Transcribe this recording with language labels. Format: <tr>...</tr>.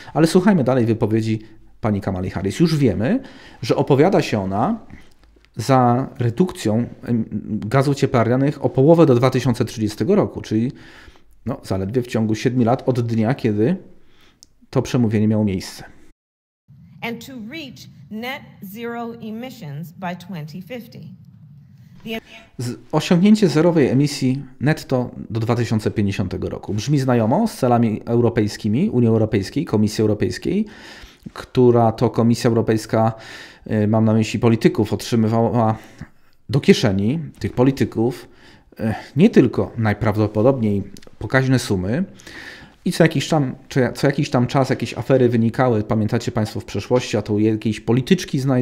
<pl>Ale słuchajmy dalej wypowiedzi pani Kamali Harris. Już wiemy, że opowiada się ona za redukcją gazów cieplarnianych o połowę do 2030 roku, czyli no, zaledwie w ciągu 7 lat od dnia, kiedy to przemówienie miało miejsce.</pl> <en>And to reach net zero emissions by 2050.</en> <pl>Osiągnięcie zerowej emisji netto do 2050 roku. Brzmi znajomo z celami europejskimi, Unii Europejskiej, Komisji Europejskiej, która to Komisja Europejska, mam na myśli polityków, otrzymywała do kieszeni tych polityków nie tylko najprawdopodobniej pokaźne sumy i co jakiś tam czas jakieś afery wynikały, pamiętacie Państwo w przeszłości, a to jakieś polityczki</pl>